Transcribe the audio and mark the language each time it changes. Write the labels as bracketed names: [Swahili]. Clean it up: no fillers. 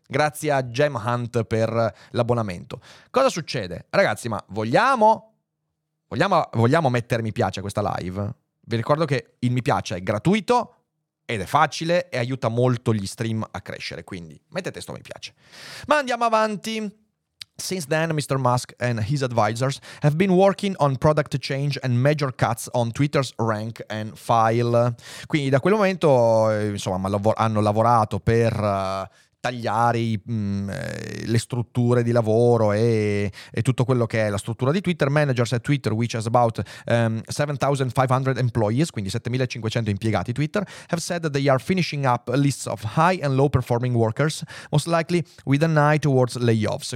[Italian] Grazie a Gem Hunt per l'abbonamento. Cosa succede? Ragazzi, ma vogliamo... Vogliamo mettere mi piace a questa live? Vi ricordo che il mi piace è gratuito... Ed è facile e aiuta molto gli stream a crescere, quindi mettete sto mi piace. Ma andiamo avanti. [English] Since then, Mr. Musk and his advisors have been working on product change and major cuts on Twitter's rank and file. [Italian] Quindi da quel momento, insomma, hanno lavorato per tagliare le strutture di lavoro e tutto quello che è la struttura di Twitter. [English] Managers at Twitter, which has about 7,500 employees, [Italian] quindi 7,500 impiegati Twitter, [English] have said that they are finishing up lists of high and low performing workers, most likely with an eye towards layoffs.